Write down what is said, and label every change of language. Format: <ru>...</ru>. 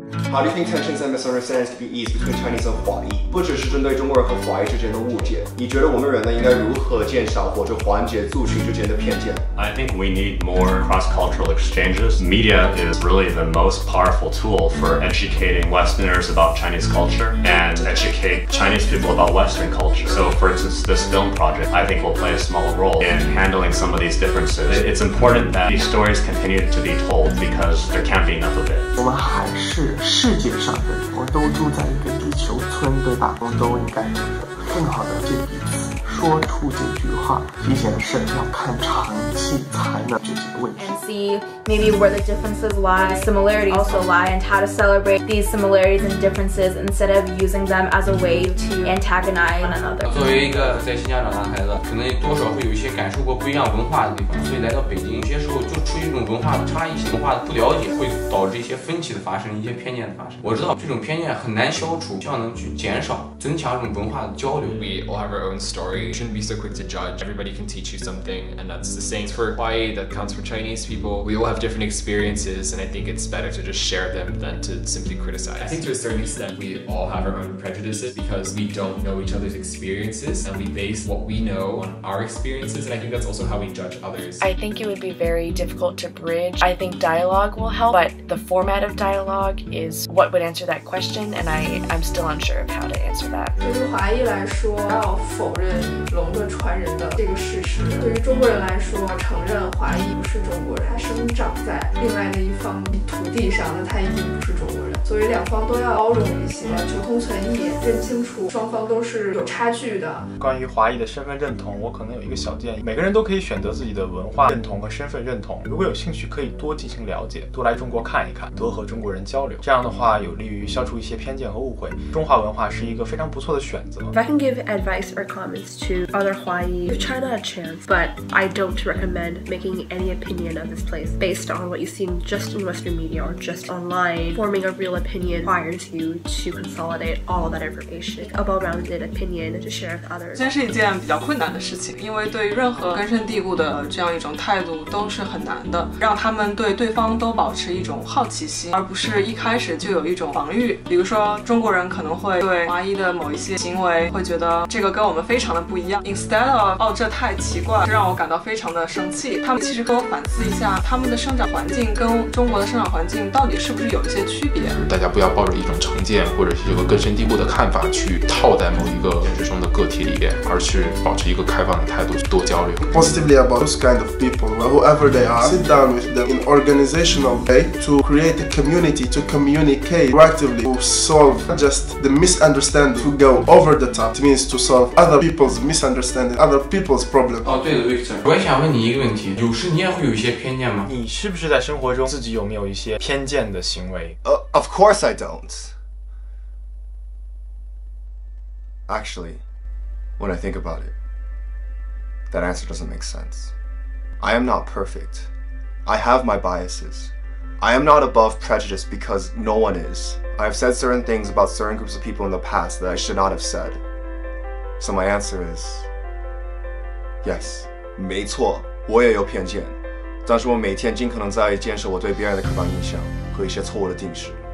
<en>How do you think tensions and misunderstandings can be eased between Chinese and Huayi?</en> <zh>不只是针对中国人和华裔之间的误解，你觉得我们人呢应该如何减少或者缓解族群之间的偏见？</zh> <en>I think we need more cross-cultural exchanges. Media is really the most powerful tool for educating Westerners about Chinese culture and educate Chinese people about Western culture. So, for instance, this film project, I think, will play a small role in handling some of these differences. It's important that these stories continue to be told because there can't be enough of it.</en> <zh>我们还是世界上的，我都住在一个地球村，对吧？我们都应该就是更好的对彼此说出这句话。提前是要看长期才能解决问题。</zh> <en>And see maybe where the differences lie, similarities also lie, and how to celebrate these similarities and differences instead of using them as a way to antagonize one another.</en> <zh>作为一个在新疆长大孩子，可能多少会有一些感受过不一样文化的地方，所以来到北京，有些时候就出于一种文化的差异、文化的不了解，会导致一些分歧的发生、一些偏见的发生。我知道这种偏见很难消除，希望能去减少、增强这种文化的交流。</zh> <en>We all have our own story. You shouldn't be so quick to judge. Everybody can teach you something, and that's the same for Huayi, that counts for Chinese people. We all have different experiences, and I think it's better to just share them than to simply criticize. I think to a certain extent, we all have our own prejudices because we don't know each other's experiences, and we base what we know on our experiences, and I think that's also how we judge others. I think it would be very difficult to bridge. I think dialogue will help, but the format of dialogue is what would answer that question, and I'm still unsure of how to answer that.</en> <zh>对于华裔来说，要否认龙的传人的这个事实，对于中国人来说，承认华裔不是中国人，他生长在另外的一方土地上，那他一定不是中国人。所以两方都要包容一些，求同存异，认清楚双方都是有差距的。关于华裔的身份认同，我可能有一个小建议，每个人都可以选择自己的文化认同和身份认同，如果有兴趣可以多进行了解，多来中国看一看，多和中国人交流，这样的话有利于消除一些偏见和误会，中华文化是一个非常不错的选择。</zh> <en>If I can give advice or comments to other Huayi, give China a chance, but I don't recommend making any opinion of this place based on what you've seen just in Western media or just online. Forming a real opinion requires you to consolidate all that information, a well-rounded opinion to share with others.</en> <zh>这是一件比较困难的事情，因为对任何根深蒂固的这样一种态度都是很难的，让他们对对方都保持一种好奇心，而不是一开始就有一种防御。比如说中国人可能会对Huayi的某一些行为会觉得这个跟我们非常的不一样。</zh> <en>Instead of</en> <zh>哦，这太奇怪，这让我感到非常的生气。他们其实跟我反思一下，他们的生长环境跟中国的生长环境到底是不是有一些区别。大家不要抱着一种成见或者是一个根深蒂固的看法去套在某一个现实中的个体里边，而是保持一个开放的态度，多交流。</zh> <en>Positively about those kind of people, whoever they are, sit down with them in organizational way to create a community, to communicate proactively, to solve just the misunderstanding, to go over the top, means to solve other people's misunderstanding, other people's problem.</en> <zh>哦，对的 ，Victor， 我也想问你一个问题，有时你也会有一些偏见吗？你是不是在生活中自己有没有一些偏见的行为？</zh> <en>Of course I don't. Actually, when I think about it, that answer doesn't make sense. I am not perfect. I have my biases. I am not above prejudice because no one is. I have said certain things about certain groups of people in the past that I should not have said. So my answer is yes.</en> <zh>没错，我也有偏见，但是我每天尽可能在建设我对别人的刻板印象和一些错误的定式。</zh>